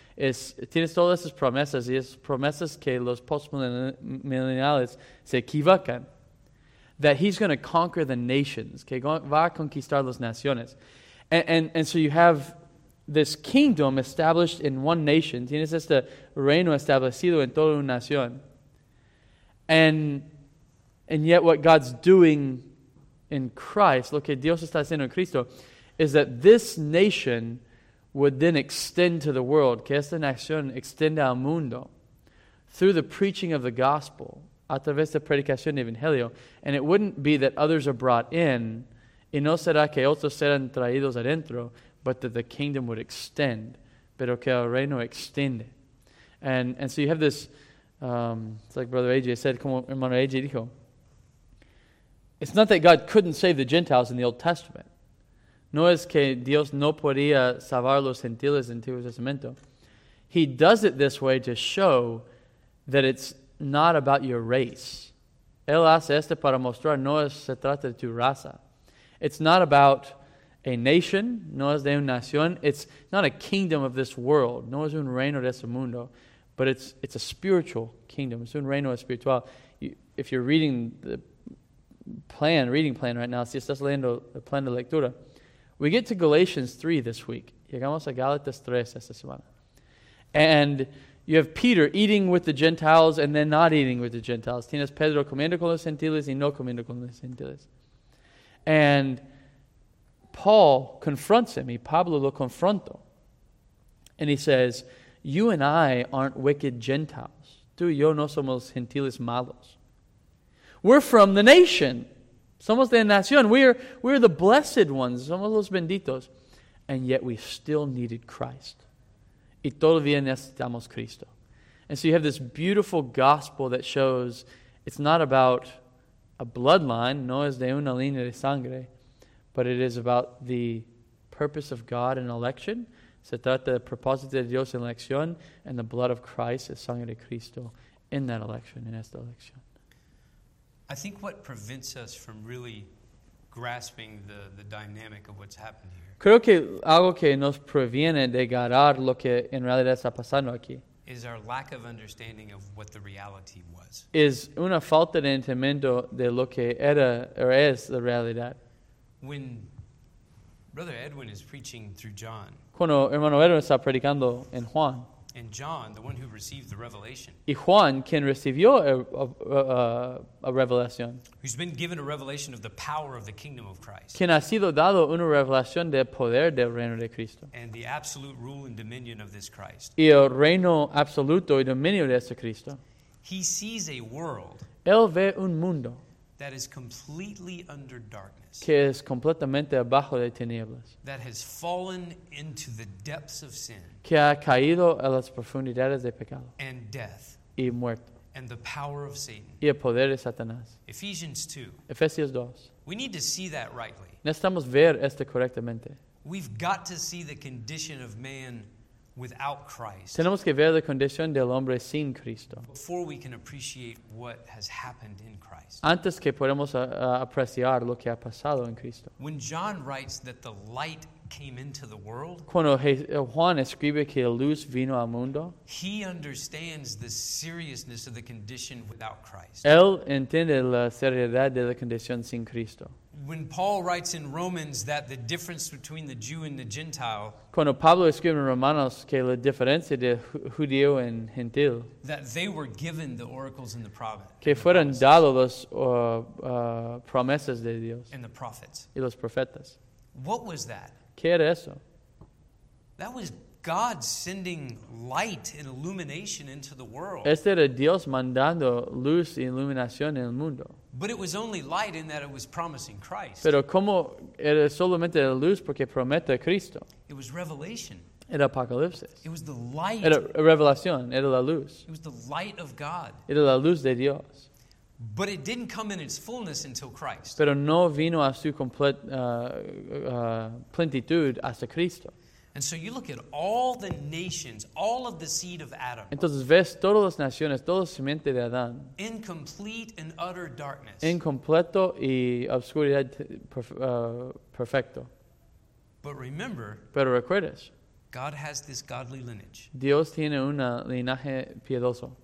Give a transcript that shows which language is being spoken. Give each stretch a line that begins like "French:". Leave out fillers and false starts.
Spanish: Es, tienes todas esas promesas, y es promesas que los postmillennials se equivocan.
English: That he's going to conquer the nations,
Spanish: que va a conquistar las naciones.
English: And so you have this kingdom established in one nation.
Spanish: Tienes este reino establecido en toda una nación.
English: And yet what God's doing in Christ,
Spanish: lo que Dios está haciendo en Cristo,
English: is that this nation would then extend to the world,
Spanish: que esta nación extienda al mundo,
English: through the preaching of the gospel,
Spanish: a través de predicación del evangelio,
English: and it wouldn't be that others are brought in,
Spanish: y no será que otros serán traídos adentro,
English: but that the kingdom would extend,
Spanish: pero que el reino extiende.
English: And so you have this, it's like Brother AJ said,
Spanish: como hermano AJ dijo,
English: it's not that God couldn't save the Gentiles in the Old Testament.
Spanish: No es que Dios no podía salvar los gentiles en el Antiguo Testamento.
English: He does it this way to show that it's not about your race.
Spanish: Él hace este para mostrar no es, se trata de tu raza.
English: It's not about a nation.
Spanish: No es de una nación.
English: It's not a kingdom of this world.
Spanish: No es un reino de ese mundo.
English: But it's a spiritual kingdom.
Spanish: Es un reino espiritual.
English: If you're reading the reading plan right now,
Spanish: si estás leyendo el plan de lectura,
English: we get to Galatians 3 this week.
Spanish: Llegamos a Gálatas 3 esta semana.
English: And you have Peter eating with the Gentiles and then not eating with the Gentiles.
Spanish: Tienes Pedro comiendo con los gentiles y no comiendo con los gentiles.
English: And Paul confronts him.
Spanish: Y Pablo lo confronto.
English: And he says, you and I aren't wicked Gentiles.
Spanish: Tú y yo no somos gentiles malos.
English: We're from the nation.
Spanish: Somos de la nación.
English: We're the blessed ones.
Spanish: Somos los benditos.
English: And yet we still needed Christ.
Spanish: Y todavía necesitamos Cristo.
English: And so you have this beautiful gospel that shows it's not about a bloodline.
Spanish: No es de una línea de sangre.
English: But it is about the purpose of God in election.
Spanish: Se trata del propósito de Dios en elección.
English: And the blood of Christ
Spanish: es sangre de Cristo
English: in that election, in
Spanish: esta elección.
English: I think what prevents us from really grasping the dynamic of what's happened here.
Spanish: Creo que algo que nos previene de agarrar lo que en realidad está pasando aquí
English: is our lack of understanding of what the reality was.
Spanish: Es una falta de entendimiento de lo que era o es la realidad.
English: When Brother Edwin is preaching through John.
Spanish: Cuando hermano Edwin está predicando en Juan.
English: And John, the one who received the revelation.
Spanish: Y Juan, quien recibió a revelación.
English: Who's been given a revelation of the power of the kingdom of Christ.
Spanish: Quien ha sido dado una revelación del poder del reino de Cristo.
English: And the absolute rule and dominion of this Christ.
Spanish: Y el reino absoluto y dominio de este Cristo.
English: He sees a world.
Spanish: Él ve un mundo.
English: That is completely under darkness.
Spanish: Que es completamente abajo de tinieblas.
English: That has fallen into the depths of sin.
Spanish: Que ha caído a las profundidades de pecado.
English: And death.
Spanish: Y muerto.
English: And the power of Satan.
Spanish: Y el poder de Satanás.
English: Ephesians 2.
Spanish: Efesios 2.
English: We need to see that rightly.
Spanish: Necesitamos ver esto correctamente.
English: We've got to see the condition of man without Christ.
Spanish: Tenemos que ver la condición del hombre sin Cristo.
English: Before we can appreciate what has happened in Christ.
Spanish: Antes que podamos apreciar lo que ha pasado en Cristo.
English: When John writes that the light came into the world.
Spanish: Cuando Juan escribe que la luz vino al mundo.
English: He understands the seriousness of the condition without Christ.
Spanish: Él entiende la seriedad de la condición sin Cristo.
English: When Paul writes in Romans that the difference between the Jew and the Gentile,
Spanish: cuando Pablo escribe en Romanos que la diferencia de judío y gentil,
English: that they were given the oracles and the prophets,
Spanish: que fueron dados los promesas de Dios,
English: and the prophets,
Spanish: y los profetas.
English: What was that?
Spanish: ¿Qué era eso?
English: That was God sending light and illumination into the world.
Spanish: Este era Dios mandando luz y iluminación en el mundo.
English: But it was only light in that it was promising Christ.
Spanish: Pero como era solamente luz porque promete a Cristo.
English: It was revelation.
Spanish: Era apocalipsis.
English: It was the light.
Spanish: Era revelación. Era la luz.
English: It was the light of God.
Spanish: Era la luz de Dios.
English: But it didn't come in its fullness until Christ.
Spanish: Pero no vino a su complete plenitud hasta Cristo.
English: And so you look at all the nations, all of the seed of Adam.
Spanish: Entonces ves todas las naciones, toda la simiente de Adán.
English: In complete and utter darkness.
Spanish: Incompleto y obscuridad perfecto.
English: But remember,
Spanish: pero recuerdes,
English: God has this godly lineage.
Spanish: Dios tiene un linaje piadoso.